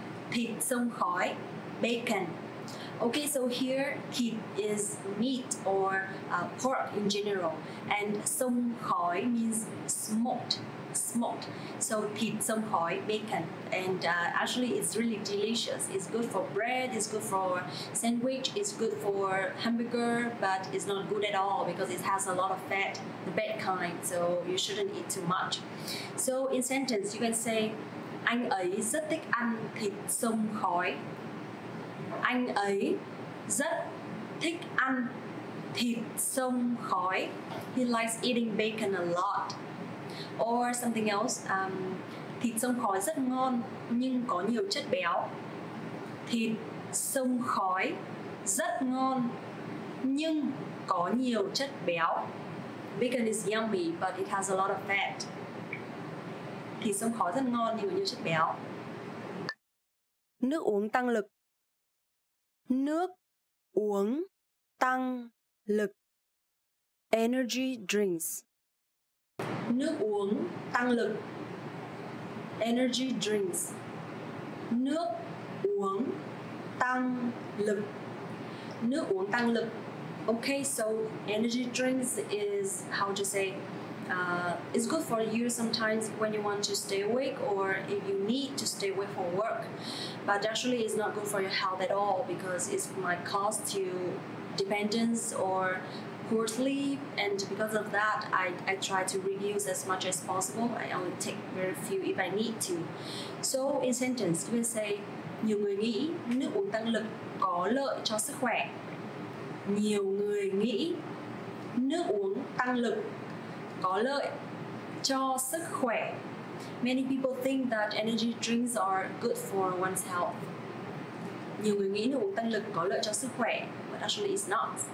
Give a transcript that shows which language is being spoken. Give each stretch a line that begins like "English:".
English: Thịt sông khói. Bacon. Okay, so here thịt is meat or pork in general, and sông khói means smoked. Smoked. So thịt sông khói, bacon. And actually it's really delicious. It's good for bread, it's good for sandwich, it's good for hamburger, but it's not good at all because it has a lot of fat, the bad kind, so you shouldn't eat too much. So in sentence you can say
Vietnamese: anh ấy rất thích ăn thịt sông khói. Anh ấy rất thích ăn thịt sông khói.
English: He likes eating bacon a lot. Or something else,
Vietnamese: thịt sông khói rất ngon nhưng có nhiều chất béo. Thịt sông khói rất ngon nhưng có nhiều chất béo.
English: Bacon is yummy but it has a lot of fat.
Vietnamese: Thịt sông khói rất ngon nhưng có nhiều chất béo. Nước uống tăng lực. Nước uống tăng lực.
English: Energy drinks.
Vietnamese: Nước uống tăng lực.
English: Energy drinks.
Vietnamese: Nước uống tăng lực. Nước uống tăng lực.
English: Okay, so energy drinks is, how to say, it's good for you sometimes when you want to stay awake or if you need to stay awake for work. But actually it's not good for your health at all because it might cause you dependence or poor sleep, and because of that I try to reduce as much as possible. I only take very few if I need to. So in sentence you can say
Vietnamese: nhiều người nghĩ nước uống tăng lực có lợi cho sức khỏe. Nhiều người nghĩ Nước uống tăng lực, có lợi cho sức khỏe.
English: Many people think that energy drinks are good for one's health.
Vietnamese: Nhiều người nghĩ nước uống tăng lực có lợi cho sức khỏe,
English: but actually it's not.